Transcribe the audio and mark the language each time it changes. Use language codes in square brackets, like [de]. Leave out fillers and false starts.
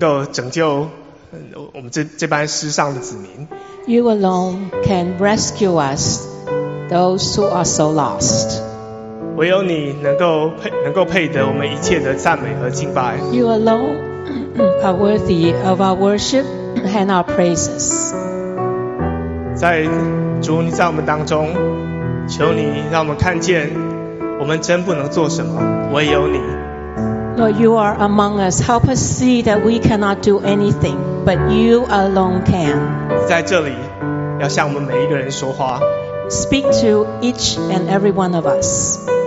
[zh] 拯救我们这班世上的子民。 [en] You alone can rescue us, those who are so lost. [zh] 唯有你能够配得我们一切的赞美和敬拜。 [en] You alone are worthy of our worship and our praises. [zh] 在主你在我们当中，求你让我们看见，我们真不能做什么，唯有你。 [en] Lord, you are among us. Help us see that we cannot do anything, but you alone can. [zh] 在这里，要向我们每一个人说话。 [en] Speak to each and every one of us.